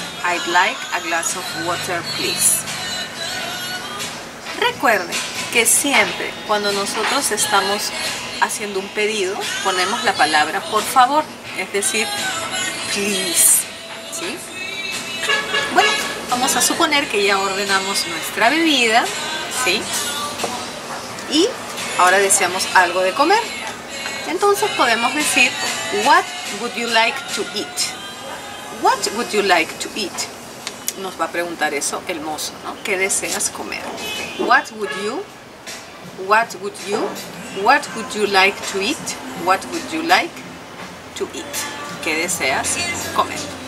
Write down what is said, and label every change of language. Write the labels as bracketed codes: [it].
[en] I'd like a glass of water, please. [es] Recuerde que siempre cuando nosotros estamos haciendo un pedido, ponemos la palabra por favor, es decir, please. ¿Sí? Bueno, vamos a suponer que ya ordenamos nuestra bebida, ¿sí? Y ahora deseamos algo de comer. Entonces podemos decir, [en] what would you like to eat? What would you like to eat? [es] Nos va a preguntar eso el mozo, ¿no? ¿Qué deseas comer? [en] What would you like to eat? What would you like to eat? [es] ¿Qué deseas comer?